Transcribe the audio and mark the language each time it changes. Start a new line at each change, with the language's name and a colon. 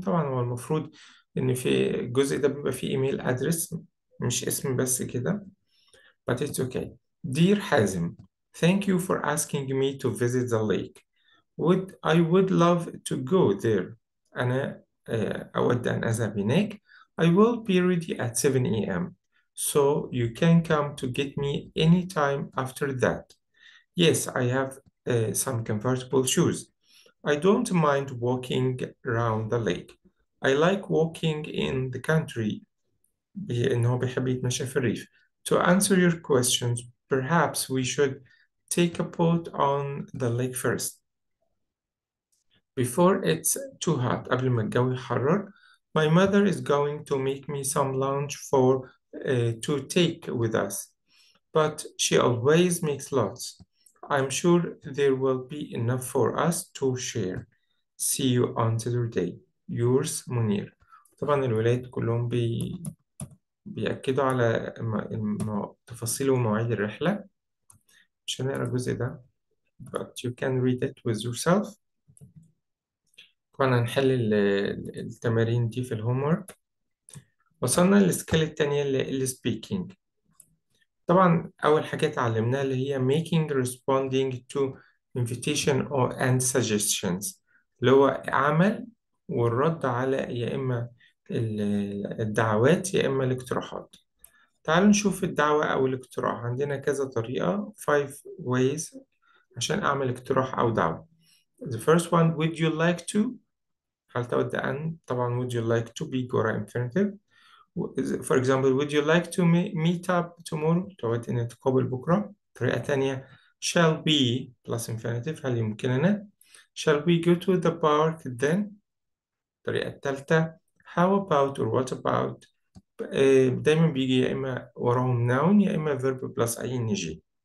Arabic: طبعا هو المفروض إن في الجزء ده بيبقى فيه إيميل أدرس مش اسم بس كده.
English: But it's okay. Dear Hazim, thank you for asking me to visit the lake. I would love to go there.
Arabic: أنا أود أن أذهب هناك.
English: I will be ready at 7 a.m. So you can come to get me anytime after that. Yes, I have some comfortable shoes. I don't mind walking around the lake. I like walking in the country.
Arabic: إنه بيحب يتمشى في الريف.
English: To answer your questions, perhaps we should take a boat on the lake first. Before it's too hot,
Arabic: قبل ما الجو يحرر,
English: my mother is going to make me some lunch for to take with us. But she always makes lots. I'm sure there will be enough for us to share. See you on Saturday. Yours, Munir.
Arabic: طبعا الولاد كلهم بيأكدوا على تفاصيل ومواعيد الرحلة. مش هنقرأ الجزء ده.
English: But you can read it with yourself.
Arabic: كنا هنحل التمارين دي في الهومورك. وصلنا للسكيل التانية اللي هي السبيكينج. طبعا أول حاجة اتعلمناها اللي هي
English: making responding to invitation or and suggestions
Arabic: اللي هو عمل والرد على يا إما الدعوات يا إما الاقتراحات. تعالوا نشوف الدعوة أو الاقتراح. عندنا كذا طريقة,
English: five ways
Arabic: عشان أعمل اقتراح أو دعوة.
English: The first one, would you like to,
Arabic: هل تود أن, طبعا
English: would you like to be جورا infinitive. For example, would you like to meet up tomorrow?
Arabic: تود أن تقابل بكرة. طريقة تانية,
English: shall we plus infinitive,
Arabic: هل يمكننا.
English: Shall we go to the park then?
Arabic: الطريقة التالتة,
English: how about or what about,
Arabic: دايما بيجي يا إما وراهم noun يا إما
English: verb plus ing.